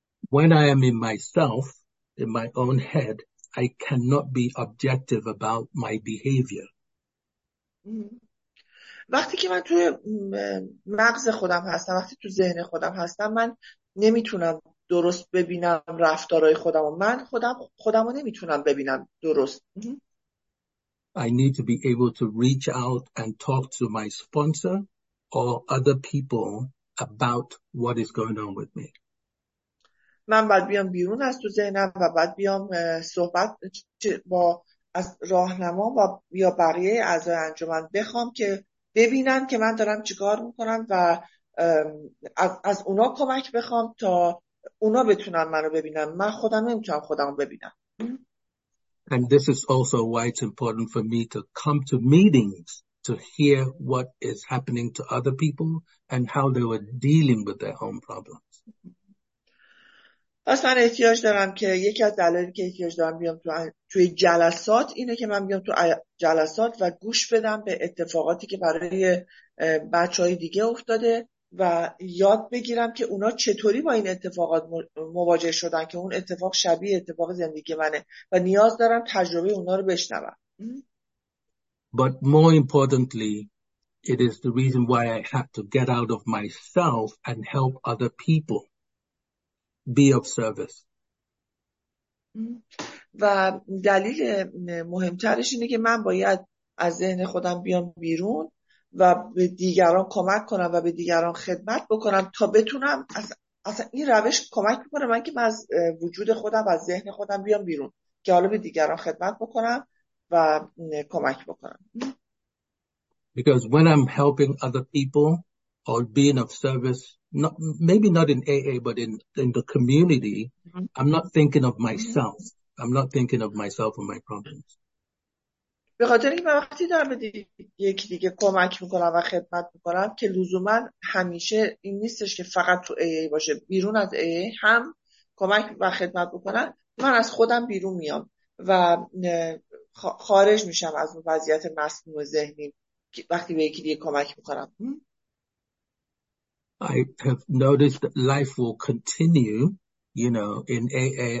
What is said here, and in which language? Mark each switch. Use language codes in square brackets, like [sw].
[en] When I am in myself, in my own head, I cannot be objective about my behavior. [fa] وقتی که من توی مغز خودم هستم، وقتی تو ذهن خودم هستم، من نمیتونم درست ببینم رفتارهای خودم و من خودم رو نمیتونم ببینم درست. [en] I need to be able to reach out and talk to my sponsor or other people about what is going on with me. [fa] من باید بیام بیرون از تو ذهنم و باید بیام صحبت با از راهنما و یا بقیه اعضای انجمن بخوام که ببینن که من دارم چیکار میکنم و از اونا کمک بخوام تا اونا بتونن منو ببینن. من خودم نمیتونم خودم ببینم. [en] And this is also why it's important for me to come to meetings to hear what is happening to other people and how they were dealing with their own problems. [fa] پس من احتیاج دارم که یکی از دلایلی که احتیاج دارم بیام توی جلسات اینه که من بیام تو جلسات و گوش بدم به اتفاقاتی که برای بچه‌های دیگه افتاده و یاد بگیرم که اونا چطوری با این اتفاقات مواجه شدن که اون اتفاق شبیه اتفاق زندگی منه و نیاز دارم تجربه اونا رو بشنوم. [en] But more importantly, it is the reason why I have to get out of myself and help other people be of service. [fa] و دلیل مهمترش اینه که من باید از ذهن خودم بیام بیرون و به دیگران کمک کنم و به دیگران خدمت بکنم تا بتونم اصلا این روش کمک بکنه من که من از وجود خودم و از ذهن خودم بیام بیرون که حالا به دیگران خدمت بکنم و کمک بکنم. [en] Because when I'm helping other people or being of service, not, maybe not in AA, but in the community, I'm not thinking of myself. I'm not thinking of myself and my problems. [fa] به خاطر اینکه وقتی دارم به یکی دیگه کمک میکنم و خدمت میکنم که لزوما همیشه این نیستش که فقط تو AA باشه، بیرون از AA هم کمک و خدمت بکنن، من از خودم بیرون میام و خارج میشم از اون وضعیت مسموم ذهنی وقتی به یکی دیگه کمک میکنم. [en] I have noticed that life will continue, you know, in AA.